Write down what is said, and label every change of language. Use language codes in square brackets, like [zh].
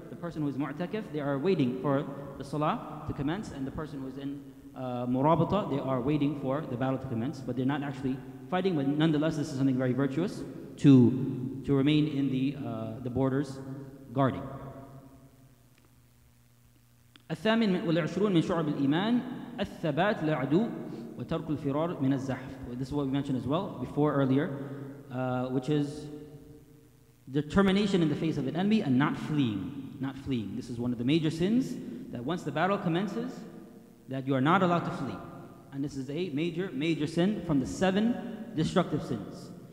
[en] The person who is mu'takif, they are waiting for the salah to commence, and the person who is in murabata, they are waiting for the battle to commence, but they're not actually fighting. But nonetheless, this is something very virtuous to remain in the borders, guarding. [ar] الثامن والعشرون من شعب الإيمان الثبات لعدو وترك الفرار من الزحف. [en] This is what we mentioned as well before earlier, which is determination in the face of an enemy and not fleeing. This is one of the major sins, that once the battle commences, that you are not allowed to flee. And this is a major sin from the seven destructive sins.